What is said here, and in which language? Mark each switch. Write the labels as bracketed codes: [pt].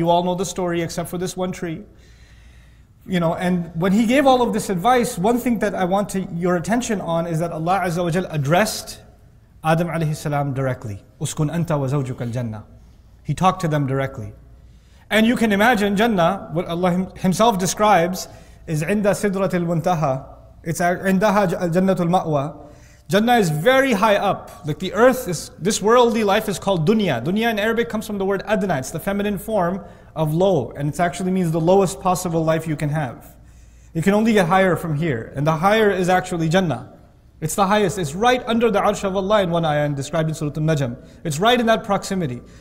[en] You all know the story except for this one tree. You know, and when he gave all of this advice, one thing that I want your attention on is that Allah Azza wa Jal addressed Adam alayhi salam directly. [ar] Uskun anta wa zawjuka al-jannah. [en] He talked to them directly. And you can imagine Jannah, what Allah himself describes, is [ar] عند سدرة المنتهى. It's عندها جنة المأوى. [en] Jannah is very high up. Like the earth is, this worldly life is called dunya. Dunya in Arabic comes from the word adna. It's the feminine form of low. And it actually means the lowest possible life you can have. You can only get higher from here. And the higher is actually Jannah. It's the highest. It's right under the Arsh of Allah in one ayah, and described in Surah An-Najm. It's right in that proximity.